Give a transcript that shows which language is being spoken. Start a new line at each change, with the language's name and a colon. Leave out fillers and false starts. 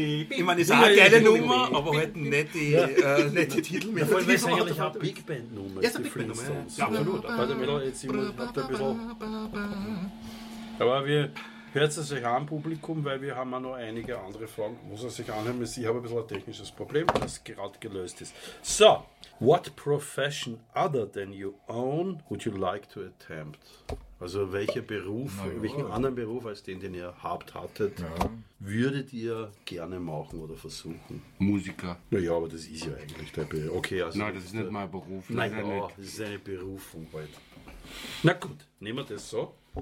German: Ich meine, es ist auch eine geile Nummer, aber halt nicht die Titel mit. Vor allem ist eigentlich auch Big Band Nummer. Ja, Big Band Nummer. Absolut. Bei der Mittel, jetzt sind wir ein bisschen. Aber wir. Hört es sich an, Publikum, weil wir haben auch noch einige andere Fragen. Muss er sich anhören? Ich habe ein bisschen ein technisches Problem, das gerade gelöst ist.
English: So, what profession other than you own would you like to attempt?
German: Also welcher Beruf, welchen anderen Beruf als den, den ihr habt, hattet, würdet ihr gerne machen oder versuchen? Musiker. Naja, aber das ist ja eigentlich der Beruf. Okay, also nein, das ist nicht mein Beruf. Nein, ja, das ist eine Berufung halt. Na gut, nehmen wir das so.